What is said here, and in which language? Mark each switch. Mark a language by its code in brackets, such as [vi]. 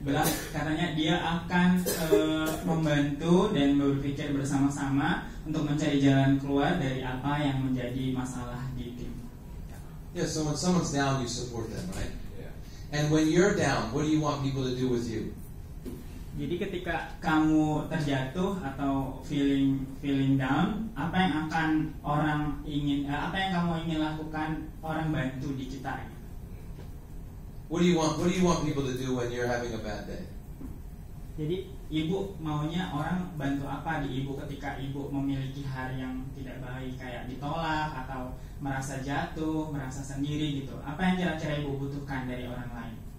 [id] Belas, katanya dia akan membantu dan berpikir bersama-sama untuk mencari jalan keluar dari apa yang menjadi masalah di tim. [en] Yeah, so when someone's down, you support them, right? Yeah. And when you're down, what do you want people to do with you? [id] Jadi ketika kamu terjatuh atau [en] feeling down, [id] apa yang akan orang ingin, apa yang kamu ingin lakukan orang bantu di kita? [en] What do you want people to do when you're having a bad day? [id] Jadi ibu maunya orang bantu apa di ibu ketika ibu memiliki hari yang tidak baik, kayak ditolak atau merasa jatuh, merasa sendiri gitu. Apa yang kira-kira ibu butuhkan dari orang lain?